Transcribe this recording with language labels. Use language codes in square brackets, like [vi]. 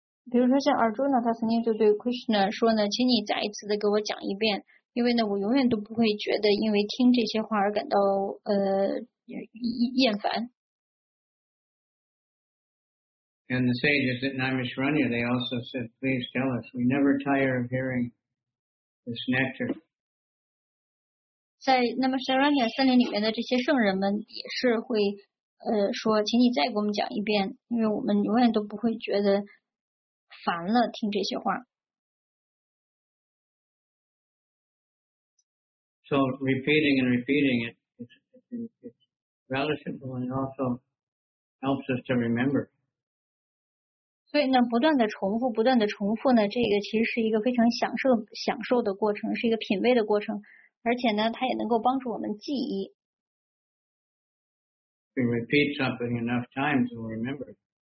[zh] 比如说像 Arjuna 他曾经就对 Krishna 说呢，请你再一次的给我讲一遍，因为呢我永远都不会觉得因为听这些话而感到厌烦。 [en] And the sages at Naimisharanya, they also said, please tell us, we never tire of hearing this nectar. [zh] 在那么 Sharanya 森林里面的这些圣人们也是会说，请你再给我们讲一遍，因为我们永远都不会觉得烦了听这些话。 [en] So repeating and repeating it's relishable and also helps us to remember. [zh] 所以呢不断的重复不断的重复呢，这个其实是一个非常享受的过程，是一个品味的过程，而且呢它也能够帮助我们记忆。 [en] We repeat something enough times we'll remember.